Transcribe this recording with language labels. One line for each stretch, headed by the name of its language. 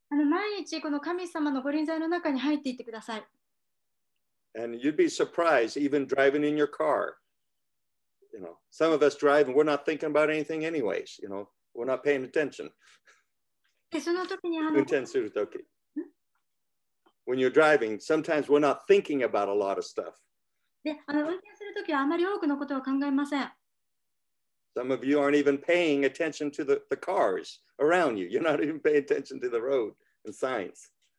Japanese: あの、毎日この神様の御臨在の中に入っていってください。
English: And you'd be surprised even driving in your car. You know, some of us drive and we're not thinking about anything anyways. You know, we're not paying attention.
Japanese: で、その時にあの、運転する時。
English: When you're driving, sometimes we're not thinking about a lot of stuff.
Japanese: で、あの、運転するときはあまり多くのことを考えません。
English: Some of you aren't even paying attention to the cars around you. You're not even paying attention to the road and signs.